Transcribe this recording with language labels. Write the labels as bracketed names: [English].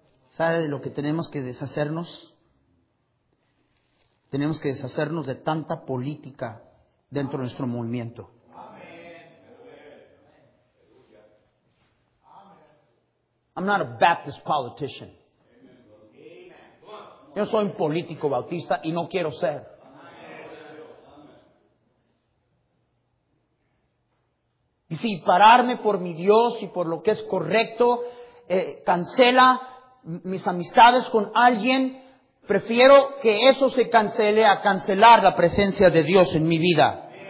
[Spanish] ¿Sabe de lo que tenemos que deshacernos? Tenemos que deshacernos de tanta política dentro de nuestro movimiento. [English] I'm not a Baptist politician. [Spanish] Yo soy un político bautista y no quiero ser. Y si pararme por mi Dios y por lo que es correcto, cancela mis amistades con alguien, prefiero que eso se cancele a cancelar la presencia de Dios en mi vida.